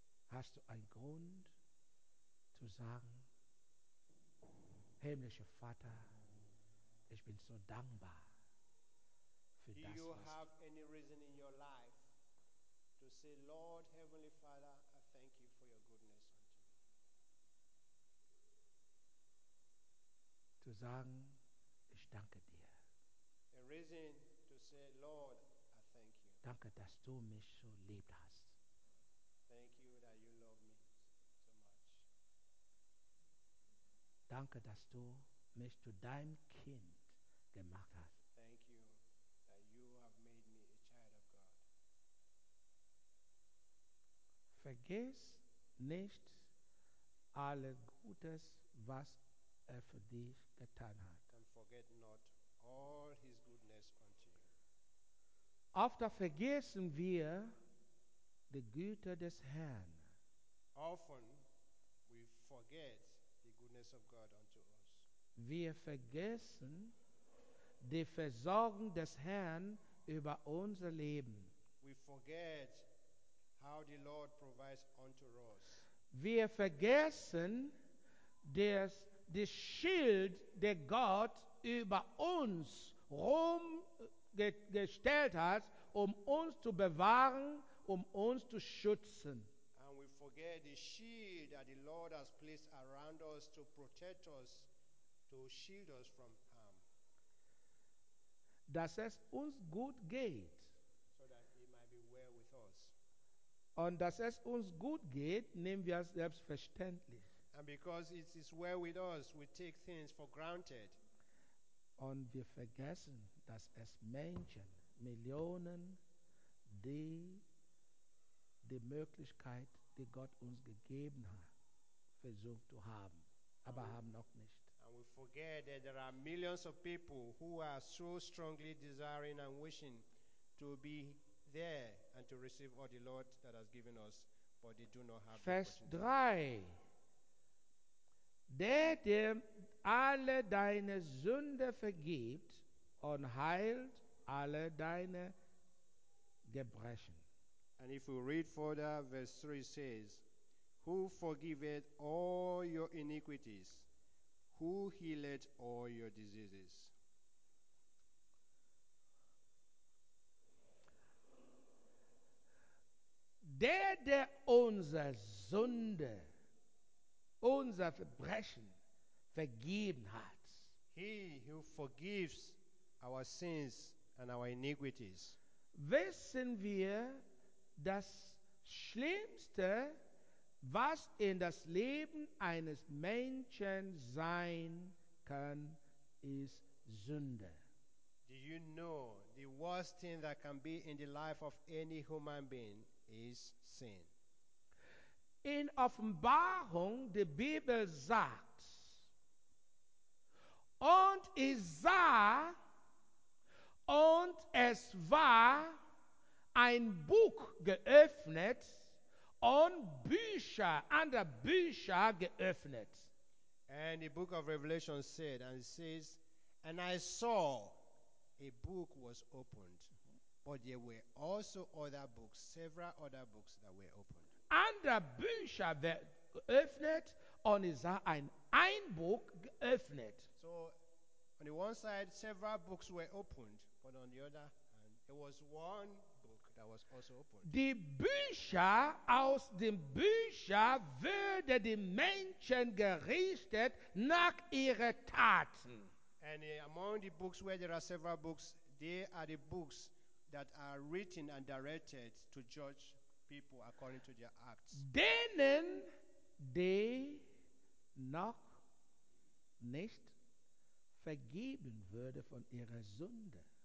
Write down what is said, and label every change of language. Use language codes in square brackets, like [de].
[de] Hast du einen Grund zu sagen, himmlischer Vater, ich bin so dankbar für das? [en] Do you have any reason in your life to say, Lord, Heavenly Father, I thank you for your goodness unto me? [de] Zu sagen, ich danke dir. [en] A reason to say, Lord, I thank you. [de] Danke, dass du mich so lieb hast. [en] Thank you that you love me so much. [de] Danke, dass du mich zu deinem Kind gemacht hast. [en] Thank you that you have made me a child of God. [de] Vergiss nicht alle Gutes, was er für dich getan hat. [en] And forget not all his goodness unto you. [de] Oft vergessen wir die Güter des Herrn. [en] Often we forget the goodness of God unto us. [de] Wir vergessen die Versorgung des Herrn über unser Leben. [en] We forget how the Lord provides unto us. [de] Wir vergessen das Schild, der Gott über uns rumgestellt hat, um uns zu bewahren, um uns zu schützen. [en] And we forget the shield that the Lord has placed around us to protect us, to shield us from harm. [de] Dass es uns gut geht. [en] So that he might be well with us. [de] Und dass es uns gut geht, nehmen wir selbstverständlich. [en] And because it is well with us, we take things for granted. [de] Und wir vergessen, dass es Menschen, Millionen, die Möglichkeit, die Gott uns gegeben hat, versucht zu haben, aber haben noch nicht. [en] And we forget that there are millions of people who are so strongly desiring and wishing to be there and to receive all the Lord that has given us, but they do not have. [de] Vers 3. Der dir alle deine Sünde vergibt und heilt alle deine Gebrechen. [en] And if we read further, verse 3 says, who forgiveth all your iniquities, who healeth all your diseases. [de] Der dir unsere Sünde, unser Verbrechen vergeben hat. [en] He who forgives our sins and our iniquities. [de] Wissen wir, das Schlimmste, was in das Leben eines Menschen sein kann, ist Sünde. [en] Do you know the worst thing that can be in the life of any human being is sin? [de] In Offenbarung, die Bibel sagt, und ich sah, und es war ein Buch geöffnet, und Bücher, andere Bücher geöffnet. [en] And the book of Revelation said, and it says, and I saw a book was opened, but there were also other books, several other books that were opened. [de] Andere Bücher werden geöffnet und es hat ein Buch geöffnet. [en] So, on the one side, several books were opened, but on the other hand, there was one book that was also opened. [de] Die Bücher, aus den Büchern würden die Menschen gerichtet nach ihren Taten. [en] And among the books where there are several books, they are the books that are written and directed to judge people according to their acts. [de] Denen, die noch nicht vergeben würde von ihrer Sünde.